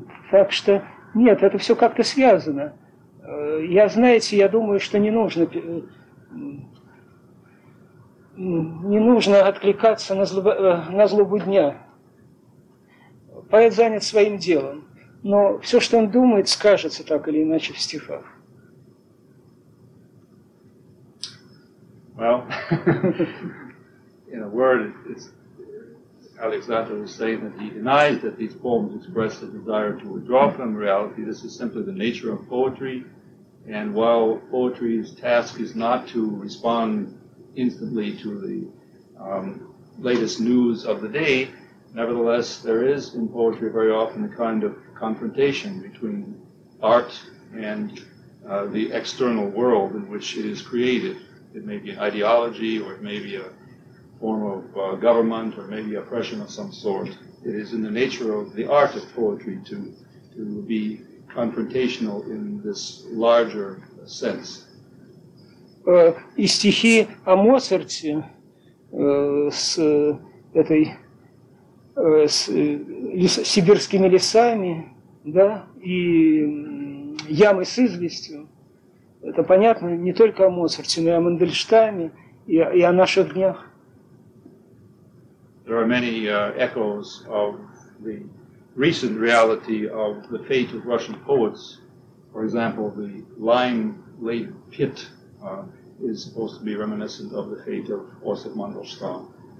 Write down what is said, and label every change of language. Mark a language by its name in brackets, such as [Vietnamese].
[Russian] Так что, нет, это все как-то связано. Я, знаете, я думаю, что не нужно откликаться на злобу дня. Поэт занят своим делом, но все, что он думает, скажется так или иначе в стихах. [English] Well, in a word, it's Alexander was saying that he denies that these poems express a desire to withdraw from reality. This is simply the nature of poetry. And while poetry's task is not to respond instantly to the latest news of the day, nevertheless, there is in poetry very often a kind of confrontation between art and the external world in which it is created. It may be an ideology, or it may be a form of government, or maybe oppression of some sort. It is in the nature of the art of poetry to be confrontational in this larger sense. [Russian] И стихи о Моцарте с этой с сибирскими лесами, да, и ямой с известью. Это понятно не только о Моцарте, но и о Мандельштаме и о наших днях. [English] There are many echoes of the recent reality of the fate of Russian poets. For example, the lime-laden pit is supposed to be reminiscent of the fate of Osip Mandelstam.